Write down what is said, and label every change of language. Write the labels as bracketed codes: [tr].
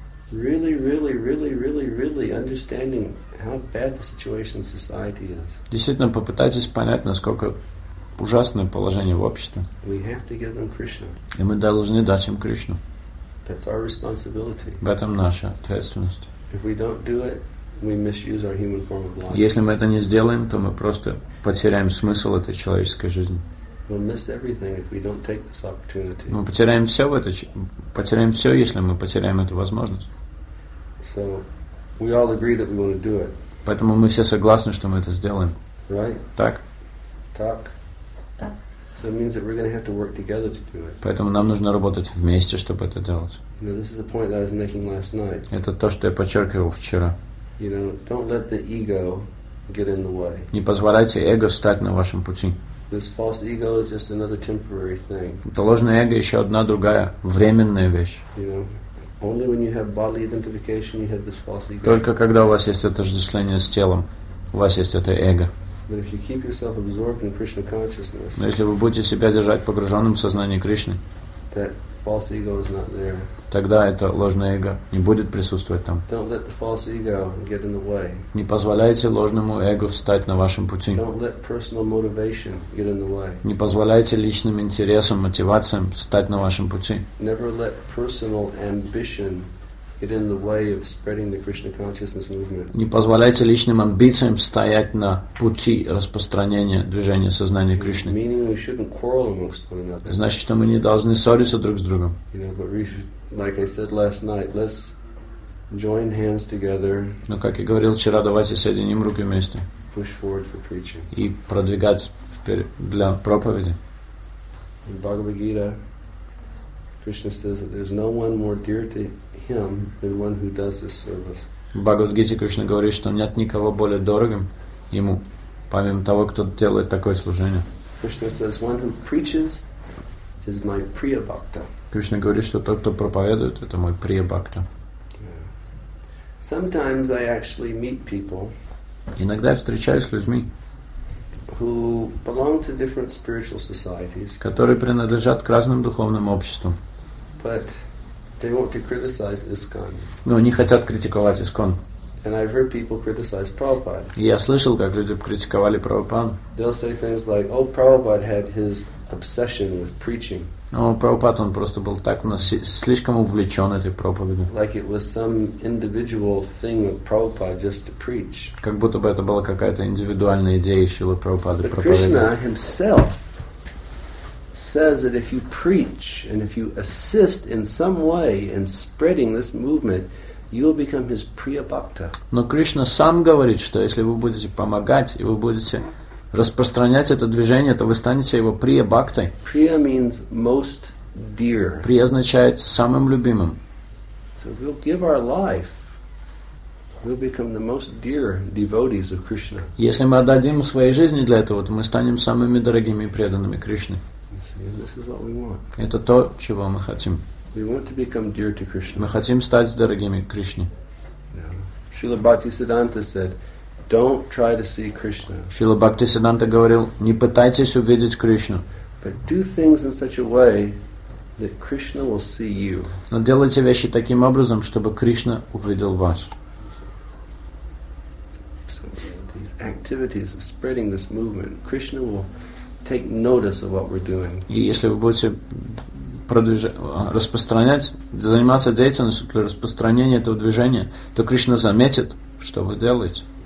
[en] Really, really, really, really, really understanding how bad the situation in society is. [ru] Действительно, попытайтесь понять, насколько ужасное положение в обществе. [en] We have to give them Krishna. [ru] И мы должны дать им Кришну. [en] That's our responsibility. [ru] В этом наша ответственность. [en] If we don't do it, we misuse our human form of life. [ru] Если мы это не сделаем, то мы просто потеряем смысл этой человеческой жизни. [en] We'll miss everything if we don't take this opportunity. [ru] Мы потеряем все в это, потеряем все, если мы потеряем эту возможность. [en] So we all agree that we want to do it. [ru] Поэтому мы все согласны, что мы это сделаем. [en] Right? [ru] Так. [en] So it means that we're going to have to work together to do it. [ru] Поэтому нам нужно работать вместе, чтобы это делать. [en] You know, this is a point that I was making last night. [ru] Это то, что я подчеркивал вчера. [en] You know, don't let the ego get in the way. [ru] Не позволяйте эго стать на вашем пути. [en] This false ego is just another temporary thing. [ru] Это ложное эго еще одна другая временная вещь. [en] You know, only when you have bodily identification, you have this false ego. [ru] Только когда у вас есть отождествление с телом, у вас есть это эго. [en] But if you keep yourself absorbed in Krishna consciousness, [ru] но если вы будете себя держать погруженным в сознание Кришны, [en] that false ego is not there. [ru] Тогда это ложное эго не будет присутствовать там. [en] Don't let the false ego get in the way. [ru] Не позволяйте ложному эго встать на вашем пути. [en] Don't let personal motivation get in the way. [ru] Не позволяйте личным интересам, мотивациям встать на вашем пути. [en] Never let personal ambition it in the way of spreading the Krishna consciousness movement. [ru] Не позволяйте личным амбициям стоять на пути распространения движения сознания Кришны. [en] Meaning we shouldn't quarrel amongst one another. [ru] Значит, что мы не должны ссориться друг с другом. [en] You know, but like I said last night, let's join hands together. [ru] Но как я говорил вчера, давайте соединим руки вместе. [en] Push forward for preaching. [ru] И продвигать вперед для проповеди. [en] In Bhagavad Gita, Krishna says that there's no one more dear to him than one who does this service. [ru] В Бхагавад-гите Кришна говорит, что нет никого более дорогим ему, помимо того, кто делает такое служение. [en] Krishna says, one who preaches is my priya bhakta. [ru] Кришна говорит, что тот, кто проповедует, это мой priya bhakta. [en] Sometimes I actually meet people. [ru] Иногда я встречаюсь с людьми. [en] Who belong to different spiritual societies, [ru] которые принадлежат к разным духовным обществам. [en] But they want to criticize ISKCON. [ru] Но они хотят критиковать ISKCON. [en] And I've heard people criticize Prabhupada. [ru] Я слышал, как люди критиковали Прабхупаду. [en] They'll say things like, "Oh, Prabhupada had his obsession with preaching." [ru] Но Прабхупада, он просто был так слишком увлечен этой проповедью. [en] Like it was some individual thing of Prabhupada just to preach. [ru] Как будто бы это была какая-то индивидуальная идея Шрилы Прабхупады проповедовать. [en] But Krishna himself says that if you preach and if you assist in some way in spreading this movement, you will become his priya bhakta. [ru] Но Кришна сам говорит, что если вы будете помогать и вы будете распространять это движение, то вы станете его priya bhaktai. [en] Priya means most dear. [ru] Priya означает самым любимым. [en] So we'll give our life, we'll become the most dear devotees of Krishna. [ru] Если мы отдадим свои жизни для этого, то мы станем самыми дорогими и преданными Кришне. [en] This is what we want. [ru] Это то, чего мы хотим. [en] We want to become dear to Krishna. [ru] Мы хотим стать дорогими Кришне. [en] Srila Bhaktisiddhanta said, "Don't try to see Krishna." [ru] Srila Bhaktisiddhanta говорил, не пытайтесь увидеть Кришну. [en] But do things in such a way that Krishna will see you. [ru] Но делайте вещи таким образом, чтобы Кришна увидел вас. [en] So these activities of spreading this movement, Krishna will take notice of what we're doing. [ru] И если вы будете распространять, заниматься деятельностью для распространения этого движения, то Кришна заметит, что вы делаете.